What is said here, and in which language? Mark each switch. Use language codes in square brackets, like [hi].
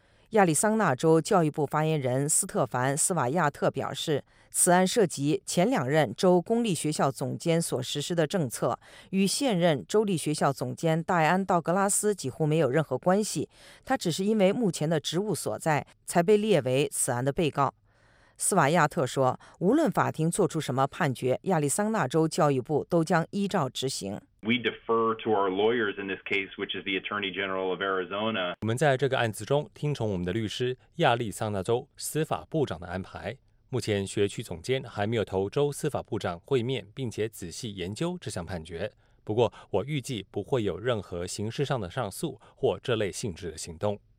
[zh] 亚利桑那州教育部发言人斯特凡·斯瓦亚特表示，此案涉及前两任州公立学校总监所实施的政策，与现任州立学校总监戴安·道格拉斯几乎没有任何关系，他只是因为目前的职务所在才被列为此案的被告。斯瓦亚特说，无论法庭做出什么判决，亚利桑那州教育部都将依照执行。 [en] We defer to our lawyers in this case, which is the Attorney General of Arizona. [zh] 我们在这个案子中听从我们的律师，亚利桑那州司法部长的安排。目前学区总监还没有同州司法部长会面，并且仔细研究这项判决。不过，我预计不会有任何形式上的上诉或这类性质的行动。